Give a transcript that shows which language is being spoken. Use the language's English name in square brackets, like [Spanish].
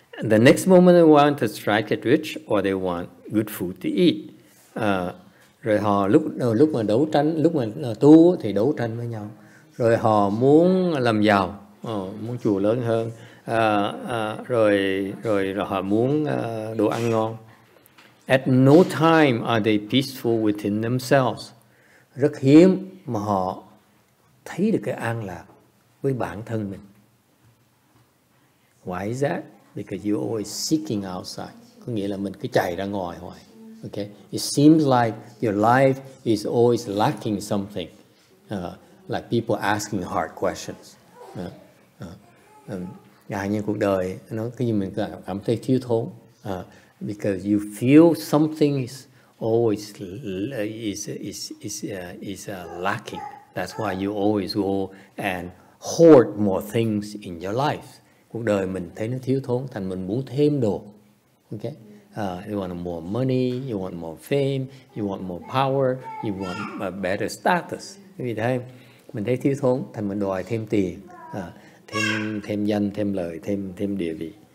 [English] The next moment they want to strike it rich or they want good food to eat. [Vietnamese] Rồi họ lúc mà đấu tranh, lúc mà tu thì đấu tranh với nhau. Rồi họ muốn làm giàu, muốn chùa lớn hơn. Rồi họ muốn đồ ăn ngon. [English] At no time are they peaceful within themselves. [Vietnamese] rất hiếm mà họ thấy được cái an lạc với bản thân mình. [English] Why is that? Because you're always seeking outside. [Vietnamese] Có nghĩa là mình cứ chạy ra ngoài hoài. [English] Okay? It seems like your life is always lacking something. Like people asking hard questions. [Vietnamese] Như cuộc đời, nó cái gì mình cảm thấy thiếu thốn. [English] Because you feel something is always lacking. That's why you always go and hoard more things in your life. [Vietnamese] Cuộc đời mình thấy nó thiếu thốn, thành mình muốn thêm đồ. [English] Okay? You want more money, you want more fame, you want more power, you want a better status. [Vietnamese] Vì thế, mình thấy thiếu thốn, thành mình đòi thêm tiền, thêm danh, thêm lợi, thêm địa vị.